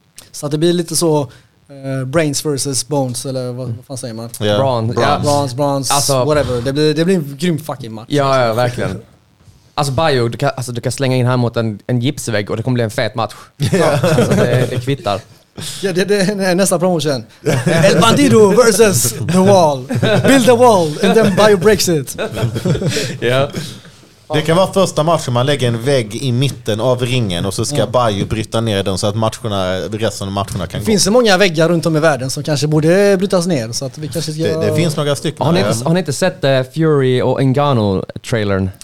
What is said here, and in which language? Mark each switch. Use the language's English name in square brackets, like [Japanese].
[Swedish] Så att det blir lite så [English] Brains versus bones, [Swedish] eller vad fan säger man? [English] Yeah. [Swedish] Bronze. Alltså, whatever. Det blir en grym fucking match. Ja, alltså. Ja, verkligen. Alltså bio, du kan slänga in här mot en gipsvägg och det kommer bli en fet match. Yeah. Alltså, det kvittar. Ja, det är nästa promotion. [English] El Bandido versus The Wall. Build the wall and then bio breaks it. [Swedish] Ja. Yeah. Det kan vara första matchen man lägger en vägg i mitten av ringen och så ska Bayou bryta ner den så att resten av matcherna kan gå. Finns det många väggar runt om i världen som kanske borde brytas ner? Så att vi kanske ska... det finns några stycken. Har ni inte sett Fury och Ngannou-trailern?